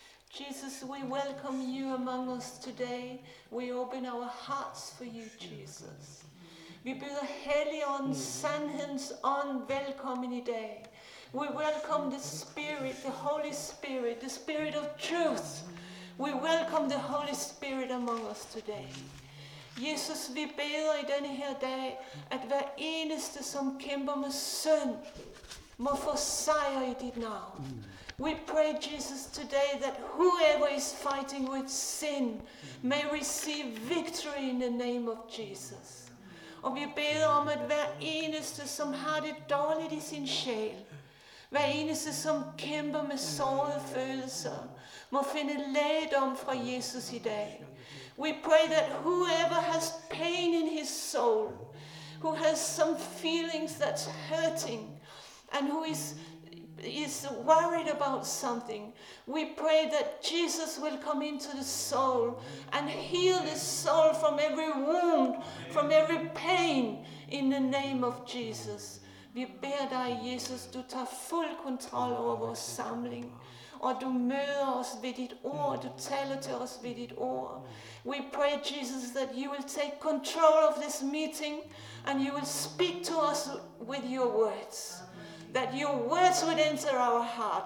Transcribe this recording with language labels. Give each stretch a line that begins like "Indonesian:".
English: Jesus, we welcome you among us today. We open our hearts for you, Jesus.
Danish: Vi byder Helligånd, sandhedens ånd, velkommen i dag.
English: We welcome the Spirit, the Holy Spirit, the Spirit of truth. We welcome the Holy Spirit among us today.
Danish: Jesus, vi beder i denne her dag, at hver eneste, som kæmper med synd, må få sejr i dit navn.
English: We pray, Jesus, today that whoever is fighting with sin may receive victory in the name of Jesus.
Danish: Og vi beder om, at hver eneste, som har det dårligt i sin sjæl, hver eneste, som kæmper med sårede følelser, må finde lægedom fra Jesus i dag.
English: We pray that whoever has pain in his soul, who has some feelings that's hurting, and who is worried about something, we pray that Jesus will come into the soul and heal the soul from every wound, from every pain, in the name of Jesus.
Danish: Vi beder dig, Jesus, du tager fuld kontrol over vores samling, og du møder os ved dit ord, du taler til os ved dit ord.
English: We pray, Jesus, that you will take control of this meeting and you will speak to us with your words. That your words would enter our heart.